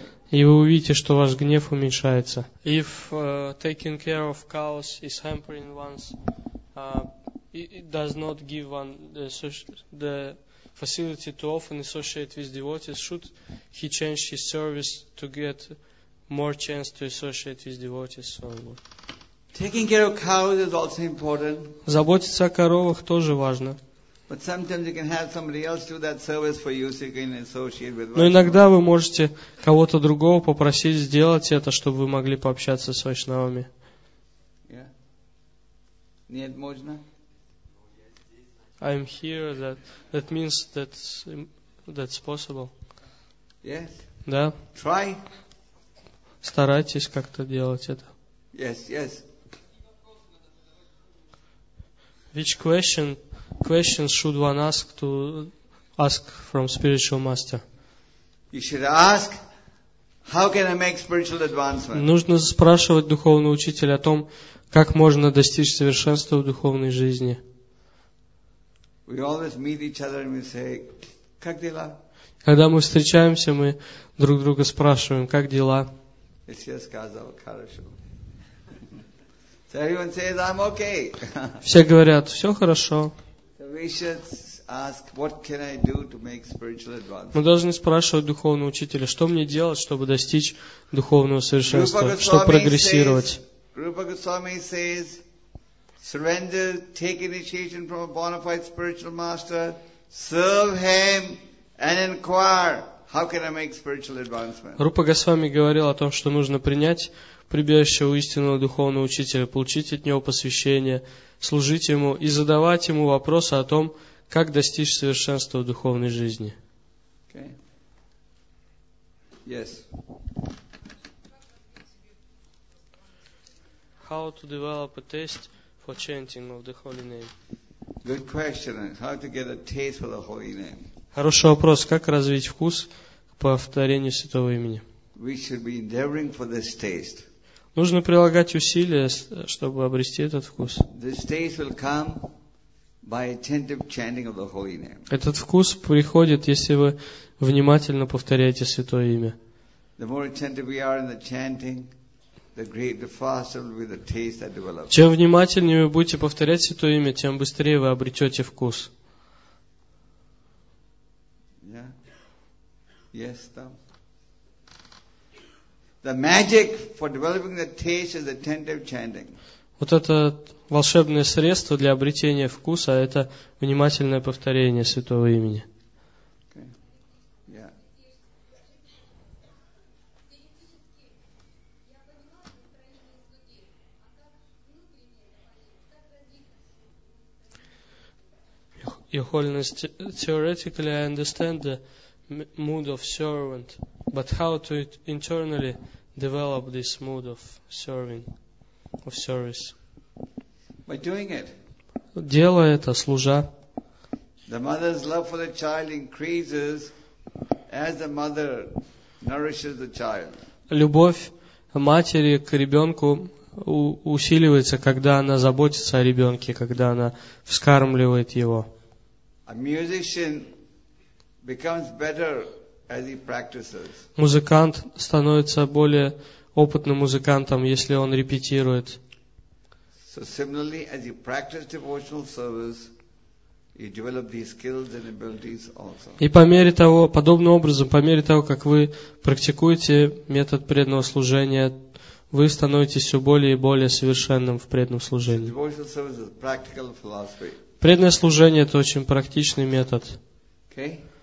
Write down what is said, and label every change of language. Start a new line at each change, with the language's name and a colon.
Russian: И вы увидите, что ваш гнев уменьшается.
English: If taking care of cows is hampering one's it does not give one the facility to often associate with devotees, should he change his service to get more chance to associate with devotees? So, taking care of cows is also important.
Russian: Заботиться о коровах тоже важно.
English: But sometimes you can have somebody else do that service for you, so you can associate with.
Russian: Но иногда вы можете кого-то другого попросить сделать это, чтобы вы могли пообщаться с вайшнавами. Yeah. Нет, можно.
English: I'm here. That means that's possible. Yes.
Russian: Да.
English: Try.
Russian: Старайтесь как-то делать это.
English: Yes. Which questions should one ask from spiritual master? You should ask, how can I make spiritual advancement?
Russian: Нужно спрашивать духовного учителя о том, как можно достичь совершенства в духовной жизни.
English: We always meet each other and we say,
Russian: как дела? Когда мы встречаемся, мы друг друга спрашиваем, как дела? Все сказал, хорошо.
English: So everyone says, I'm okay.
Russian: Все говорят, все хорошо.
English: So we should ask, what can I do to make spiritual advancement?
Russian: Мы должны спрашивать духовного учителя, что мне делать, чтобы достичь духовного совершенства, чтобы прогрессировать.
English: Rupa Goswami says, surrender, take initiation from a bona fide spiritual master, serve him, and inquire, how can I make spiritual advancement?
Russian: Рупа Госвами говорил о том, что нужно принять прибежище у истинного духовного учителя, получить от него посвящение, служить ему и задавать ему вопросы о том, как достичь совершенства в духовной жизни.
English: Okay. Yes. How to develop a taste for chanting of the holy name. Good question. How to get a taste for the holy name?
Russian: Хороший вопрос. Как развить вкус к повторению святого имени?
English: We should be endeavoring for this taste.
Russian: Нужно прилагать усилия, чтобы обрести этот вкус.
English: This taste will come by attentive chanting of the holy name.
Russian: Этот вкус приходит, если вы внимательно повторяете святое имя.
English: The more attentive we are in the chanting, the greater the faster will be the taste that develops.
Russian: Чем внимательнее вы будете повторять святое имя, тем быстрее вы обретете вкус.
English: Yeah. Yes, Tom. The magic for developing the taste is attentive chanting.
Russian: Вот это волшебное средство для обретения вкуса, это внимательное повторение святого имени.
English: Your Holiness, theoretically I understand the mood of servant, but how to internally develop this mood of serving, of service? By doing it.
Russian: Делая это, служа.
English: The mother's love for the child increases as the mother nourishes the child.
Russian: Любовь матери к ребенку усиливается, когда она заботится о ребенке, когда она вскармливает его.
English: A musician becomes better as he practices.
Russian: Музыкант становится более опытным музыкантом, если он репетирует.
English: So similarly, as you practice devotional service, you develop these skills and abilities also.
Russian: И по мере того, подобным образом, по мере того, как вы практикуете метод преданного служения, вы становитесь все более и более совершенным в преданном служении.
English: So devotional service is practical philosophy.
Russian: Преданное служение – это очень практичный метод.
English: Okay.